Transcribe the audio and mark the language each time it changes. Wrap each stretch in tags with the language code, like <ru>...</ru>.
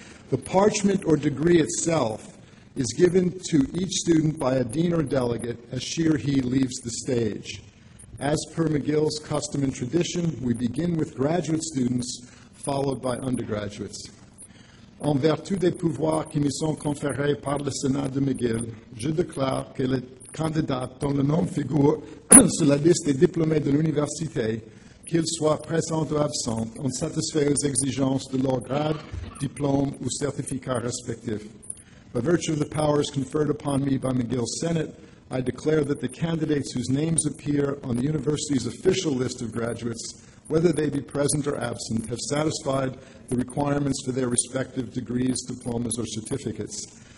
<en>The parchment or degree itself is given to each student by a dean or delegate as she or he leaves the stage. As per McGill's custom and tradition, we begin with graduate students, followed by undergraduates.</en> <fr>En vertu des pouvoirs qui me sont conférés par le Sénat de McGill, je déclare que les candidats dont le nom figure sur la liste des diplômés de l'université qu'ils soient présents ou absents, ont satisfait aux exigences de leur grade, diplôme ou certificat respectif.</fr> <en>By virtue of the powers conferred upon me by McGill Senate, I declare that the candidates whose names appear on the university's official list of graduates, whether they be present or absent, have satisfied the requirements for their respective degrees, diplomas, or certificates.</en>